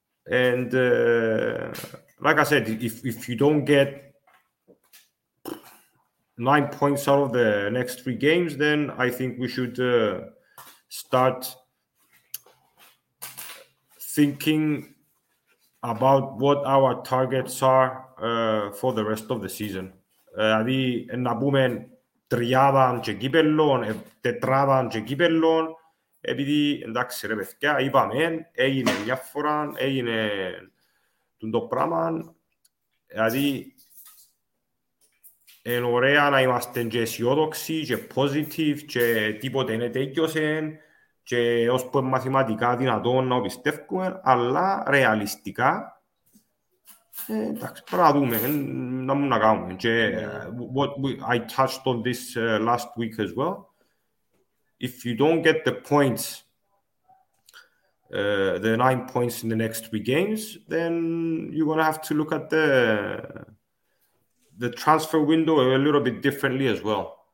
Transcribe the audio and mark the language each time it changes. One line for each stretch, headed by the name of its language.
English: And like I said, if you don't get 9 points out of the next three games, then I think we should start thinking about what our targets are for the rest of the season.
Greek: Δηλαδή, να πούμε τριάδαν και κύπελλον, τετράδαν και κύπελλον, επειδή, εντάξει ρε παιδιά, είπαμε, έγινε μια φορά, έγινε το πράγμα. Δηλαδή, είναι ωραία να είμαστε και αισιόδοξοι και positive και τίποτε είναι τέτοιωσε και ως που είναι μαθηματικά δυνατόν να πιστεύουμε, αλλά ρεαλιστικά, εντάξει, πρέπει να δούμε, να μου να κάνουμε.
English: Και what I touched on this last week as well, if you don't get the points, the 9 points in the next three games, then you're going to have to look at the transfer window a little bit differently as well.